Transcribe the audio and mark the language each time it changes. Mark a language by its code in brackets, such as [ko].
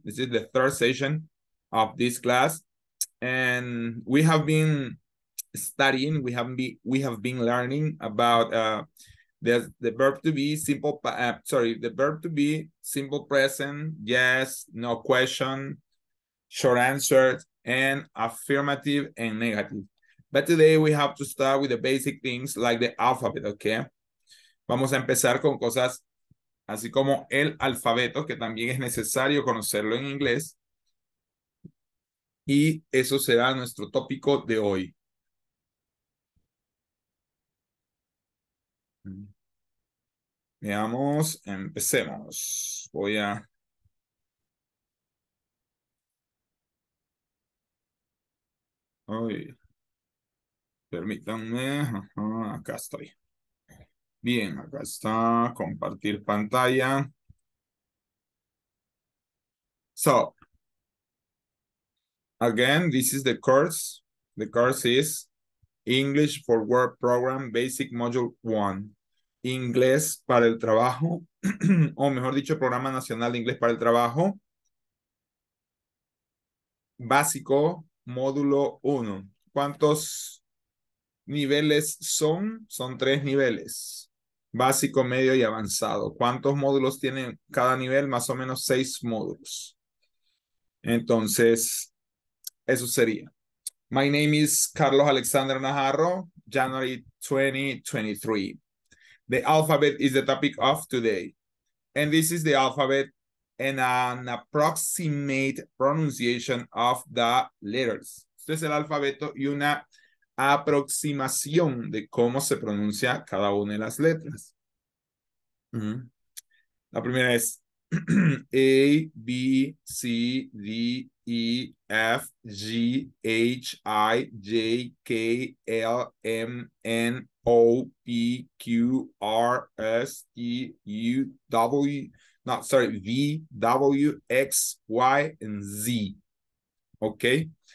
[en] This is the third session of this class. And we have been studying, we have been learning about the verb to be simple, the verb to be simple present, yes, no question, short answers, and affirmative and negative. But today we have to start with the basic things like the alphabet, okay? [es] Vamos a empezar con cosas así como el alfabeto, que también es necesario conocerlo en inglés. Y eso será nuestro tópico de hoy. Veamos, empecemos. Voy a... Ay. Permítanme. Ajá, acá estoy. Bien, acá está. Compartir pantalla. [en] So, again, this is the course. The course is English for Work Program Basic Module 1. [es] Inglés para el trabajo, o mejor dicho, Programa Nacional de Inglés para el Trabajo. básico, módulo 1. ¿Cuántos niveles son? Son 3 niveles. Básico, medio y avanzado. ¿Cuántos módulos tiene cada nivel? Más o menos 6 módulos. Entonces, eso sería. [en] My name is Carlos Alexander Najarro, January 2023. The alphabet is the topic of today. And this is the alphabet and an approximate pronunciation of the letters. [es] Este es el alfabeto y una aproximación de cómo se pronuncia cada una de las letras. La primera es A, B, C, D, E, F, G, H, I, J, K, L, M, N, O, P, Q, R, S, E, U, W, no, [en] sorry, [es] V, W, X, Y, and Z. Okay.